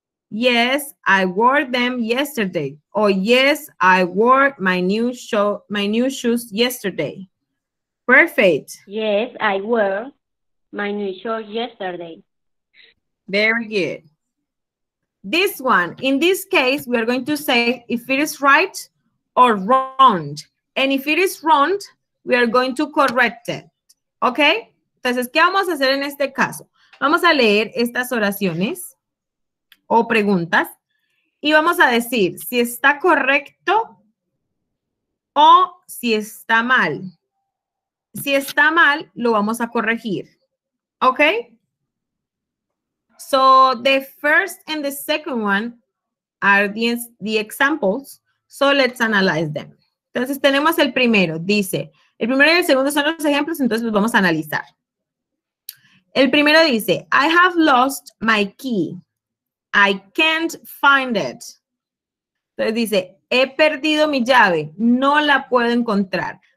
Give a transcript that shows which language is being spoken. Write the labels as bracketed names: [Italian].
[English] Yes, I wore them yesterday. Oh, yes, I wore my new shoes yesterday. Perfect. Yes, I wore my new shoes yesterday. Very good. This one, in this case, we are going to say if it is right or wrong. And if it is wrong, we are going to correct it. ¿Ok? [Spanish] Entonces, ¿qué vamos a hacer en este caso? Vamos a leer estas oraciones o preguntas y vamos a decir si está correcto o si está mal. Si está mal, lo vamos a corregir. ¿Ok? [English] So, the first and the second one are the examples. So, let's analyze them. [Spanish] Entonces, tenemos el primero. Dice, el primero y el segundo son los ejemplos, entonces los vamos a analizar. El primero dice, [English] I have lost my key. I can't find it. [Spanish] Entonces, dice, he perdido mi llave. No la puedo encontrar.